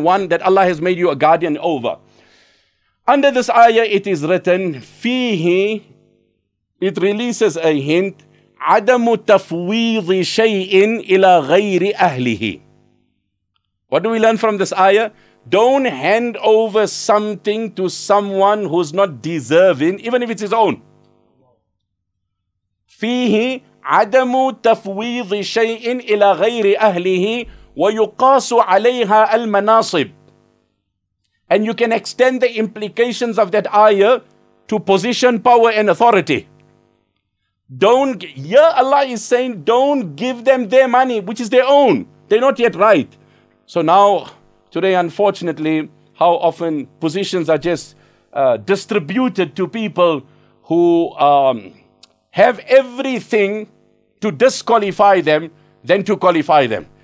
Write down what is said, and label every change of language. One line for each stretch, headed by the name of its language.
English: One, that Allah has made you a guardian over. Under this ayah, it is written, fihi, it releases a hint,
Arabic: عدم تفويض شيء إلى غير أهله.
English: What do we learn from this ayah? Don't hand over something to someone who's not deserving, even if it's his own.
Arabic: فيه عدم تفويض شيء إلى غير أهله ويقاس عليها المناصب.
English: And you can extend the implications of that ayah to position, power, and authority. Allah is saying, don't give them their money, which is their own. They're not yet right. So now, today, unfortunately, how often positions are just distributed to people who have everything to disqualify them than to qualify them.